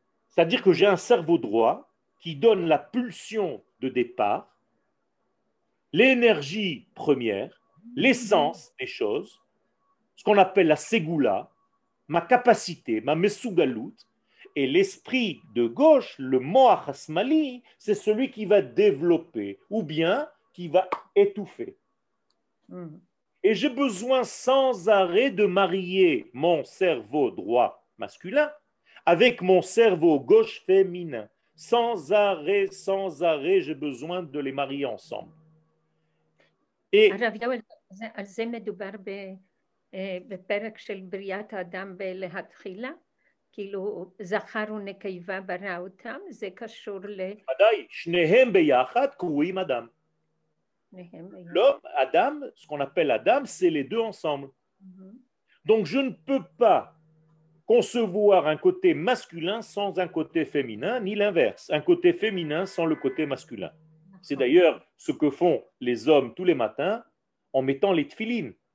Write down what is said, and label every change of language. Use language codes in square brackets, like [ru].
[fr] C'est-à-dire que j'ai un cerveau droit qui donne la pulsion de départ, l'énergie première, l'essence des choses, ce qu'on appelle la ségoula, ma capacité, ma mesugalut, et l'esprit de gauche, le moach hasmali, c'est celui qui va développer ou bien qui va étouffer. Et j'ai besoin sans arrêt de marier mon cerveau droit masculin avec mon cerveau gauche féminin. Sans arrêt, j'ai besoin de les marier ensemble. [he] Et על זה מדובר בפרק של בריאת האדם בלהתחילה, כאילו, זכר ונקבה ברא אותם, זה קשור ל... ודאי, שניהם ביחד קרויים אדם. שניהם ביחד. לא, אדם, [fr] ce qu'on appelle אדם, c'est les deux ensemble. Donc, je ne peux pas concevoir un côté masculin sans un côté féminin, ni l'inverse. Un côté féminin sans le côté masculin. C'est d'ailleurs ce que font les hommes tous les matins en mettant les tefilines.